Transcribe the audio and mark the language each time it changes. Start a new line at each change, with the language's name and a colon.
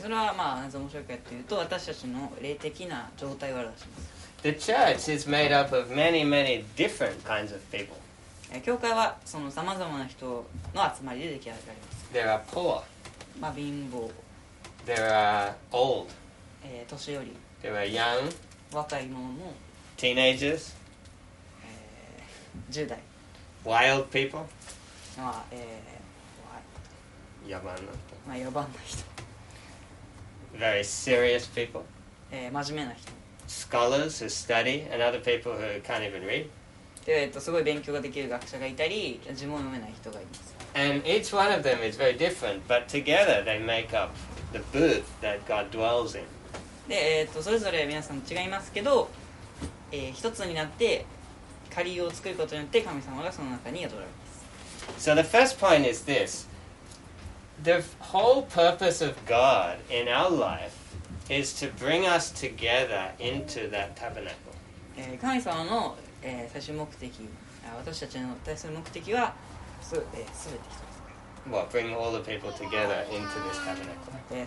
Japanese: それはまあ面白いかというと、私たちの霊的な状態を表します。
English: The church is made up of many, many different kinds of people.
Japanese: 教会はその様々な人の集まりで出来上がります。
English: There are poor.
Japanese: まあ貧乏。
English: There are old.
Japanese: 年寄り。
English: There are young.
Japanese: 若い者も。
English: Teenagers.
Japanese: 10代。
English: Wild people.
Japanese: まあ野蛮な人。まあ野蛮な人。
English: Very serious people.
Japanese: 真面目な人。
English: Scholars who study and other people who can't even read.
Japanese: すごい勉強ができる学者がいたり、字も読めない人がいます。
English: And each one of them is very different, but together they make up the booth that God dwells in.
Japanese: で、それぞれ皆さん違いますけど、一つになって仮屋を作ることによって神様がその中に宿られます。
English: So the first point is this. The whole purpose of God in our life is to bring us together into that tabernacle.
Japanese: 神様の最終目的、私たちの最終目的は、ます、すべて一つ。
English: Well, bring all the people together into this tabernacle.